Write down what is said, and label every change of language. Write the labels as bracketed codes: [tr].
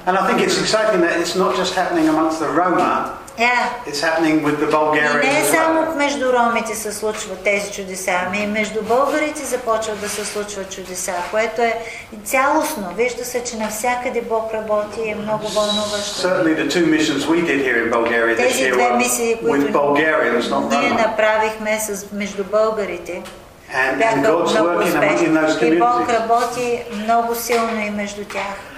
[en] And I think it's exciting that it's not just happening amongst the Roma. Yeah. It's happening with the Bulgarians. [bg] Не само между ромите се случват тези чудеса, ами и между българите започват да се случват чудеса, което е цялостно. Вижда се, че навсякъде Бог работи и е много вълнуващо. [en] Certainly the two missions we did here in Bulgaria this year were with Bulgarians, not Roma. [bg] Ние направихме между българите. [en] And God's working in those communities. [bg] И Бог работи много силно и между тях.